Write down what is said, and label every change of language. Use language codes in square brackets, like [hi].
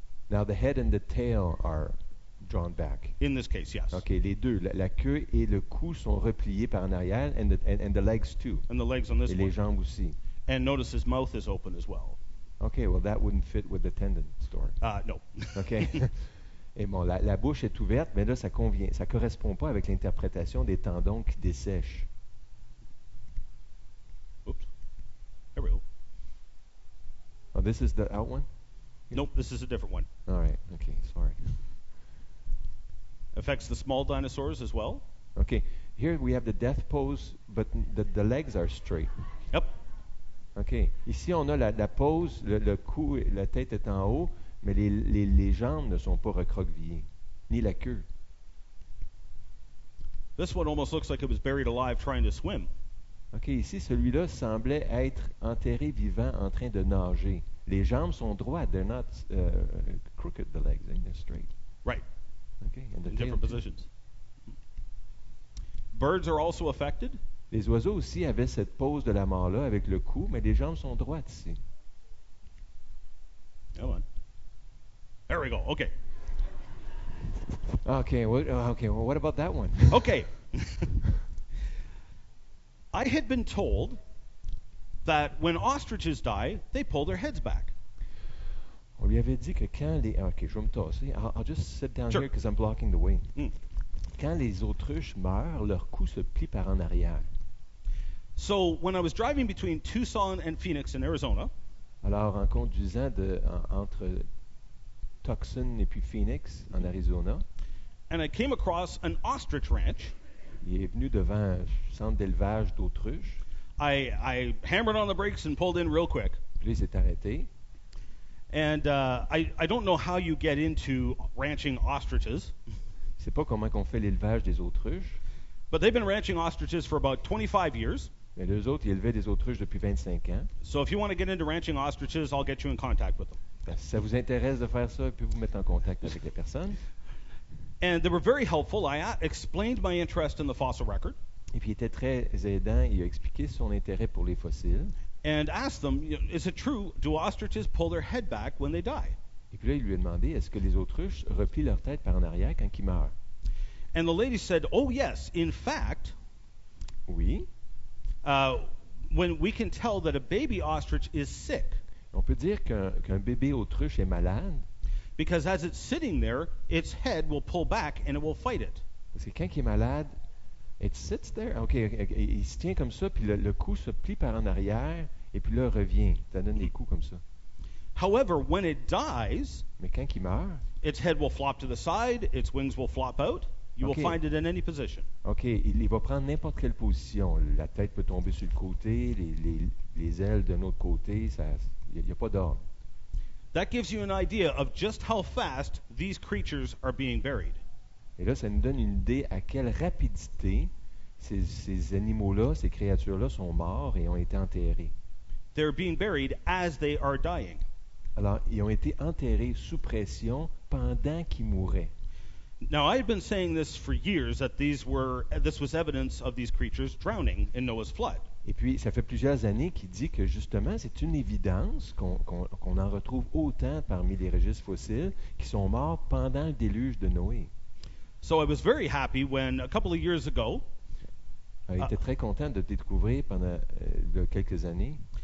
[en] Now the head and the tail are drawn back. In this case, yes. [fr] Okay, les deux, la queue et le cou sont repliés par en arrière, [en] and the legs too. And the legs on this [fr] et [en] one. [fr] Les jambes aussi. [en] And notice his mouth is open as well. Okay, well that wouldn't fit with the tendon story. No. Okay. [fr] Et bon, la bouche est ouverte, mais là ça convient, ça correspond pas avec l'interprétation des tendons qui dessèchent. [en] Oops. There we go. Oh, this is the out one. Nope, this is a different one. All right, okay, sorry. Affects the small dinosaurs as well. Okay, here we have the death pose, but the legs are straight. Yep. [fr] Okay, ici on a la pose, le cou, la tête est en haut, mais les jambes ne sont pas recroquevillées, ni la queue. [en] This one almost looks like it was buried alive trying to swim. [fr] Okay, ici celui-là semblait être enterré vivant en train de nager. Les jambes sont droites. [en] They're not crooked, the legs. They're straight. Right. Okay. And in different positions. Too. Birds are also affected. [fr] Les oiseaux aussi avaient cette pose de la mort-là avec le cou, mais les jambes sont droites ici. [en] Come on. There we go. Okay. Okay. Okay. Well, what about that one? Okay. I had been told that when ostriches die, they pull their heads back. [fr] On lui avait dit que quand les... Okay, je vais me tasser. [en] I'll just sit down sure. Here because I'm blocking the way. [fr] Quand les autruches meurent, leur cou se plie par en arrière. [en] So, when I was driving between Tucson and Phoenix in Arizona... [fr] Alors, en conduisant entre Tucson et puis Phoenix, en Arizona... [en] And I came across an ostrich ranch. [fr] Il est venu devant un centre d'élevage d'autruches. [en] I hammered on the brakes and pulled in real quick. [fr] Puis il s'est arrêté. [en] And I don't know how you get into ranching ostriches. [fr] C'est pas comment qu'on fait l'élevage des autruches. [en] But they've been ranching ostriches for about 25 years. [fr] Mais eux autres, ils élevaient des autruches depuis 25 ans. [en] So if you want to get into ranching ostriches, I'll get you in contact with them. [fr] Si ça vous intéresse de faire ça, puis vous mettre en contact avec les personnes. [en] And they were very helpful. I explained my interest in the fossil record. [fr] Et puis il était très aidant, il a expliqué son intérêt pour les fossiles. [en] And asked them, is it true, do ostriches pull their head back when they die? [fr] Et puis là, il lui a demandé, est-ce que les autruches replient leur tête par en arrière quand ils meurent? [en] And the lady said, oh yes, in fact, [fr] oui, [en] when we can tell that a baby ostrich is sick, [fr] on peut dire qu'un bébé autruche est malade, [en] because as it's sitting there, its head will pull back and it will fight it. [fr] Parce que quand il est malade, [en] it sits there. [fr] Okay, il se tient comme ça, puis le cou se plie par en arrière, et puis là, revient. Ça donne des coups comme ça. [en] However, when it dies, [fr] mais quand il meurt, [en] its head will flop to the side, its wings will flop out. You will find it in any position. [fr] Okay, il va prendre n'importe quelle position. La tête peut tomber sur le côté, les ailes d'un autre côté, il n'y a pas d'ordre. [en] That gives you an idea of just how fast these creatures are being buried. [fr] Et là, ça nous donne une idée à quelle rapidité ces animaux-là, ces créatures-là sont morts et ont été enterrés. [en] They're being buried as they are dying. [fr] Alors, ils ont été enterrés sous pression pendant qu'ils mouraient. [en] Now, I had been saying this for years, that this was evidence of these creatures drowning in Noah's flood. [fr] Et puis, ça fait plusieurs années qu'il dit que justement, c'est une évidence qu'on en retrouve autant parmi les registres fossiles qui sont morts pendant le déluge de Noé. [en] So I was very happy when a couple of years ago. [fr] Il était très content de découvrir pendant quelques années.